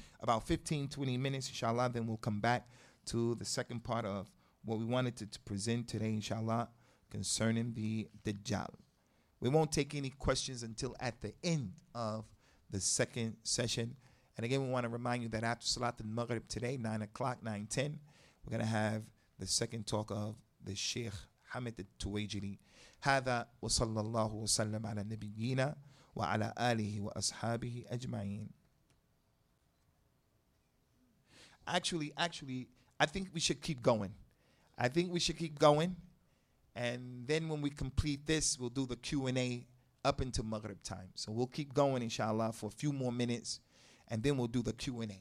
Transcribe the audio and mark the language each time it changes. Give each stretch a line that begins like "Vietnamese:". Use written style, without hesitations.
English: About 15, 20 minutes, inshallah, then we'll come back to the second part of what we wanted to present today, inshallah, concerning the Dajjal. We won't take any questions until at the end of the second session. And again, we want to remind you that after Salat al-Maghrib today, 9 o'clock, 9:10, we're going to have the second talk of the Sheikh Hamid al-Tuwajiri.
Arabic: هذا وصلى الله وسلم على نبينا وعلى آله وأصحابه أجمعين.
English: Actually, I think we should keep going. I think we should keep going. And then when we complete this, we'll do the Q&A up into Maghrib time. So we'll keep going, inshallah, for a few more minutes. And then we'll do the Q&A.